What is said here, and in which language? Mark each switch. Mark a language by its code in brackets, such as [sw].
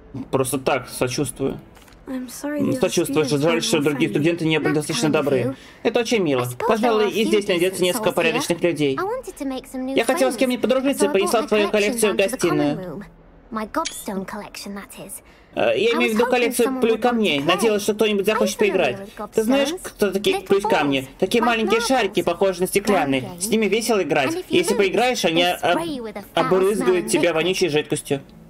[ru] Просто так, сочувствую. Не сочувствуешь, жаль, что другие студенты не были достаточно добры. Это очень мило. Пожалуй, и здесь найдется несколько порядочных людей. Я хотела с кем-нибудь подружиться, принесла твою коллекцию в гостиную. [en] My gobstone collection, that is. [ru] Я имею в виду коллекцию плюй камней. Надеялась, что кто-нибудь захочет поиграть. Ты знаешь, кто такие плюй камни? Такие маленькие шарики, похожие на стеклянные. С ними весело играть. Если поиграешь, они обрызгают тебя вонючей жидкостью.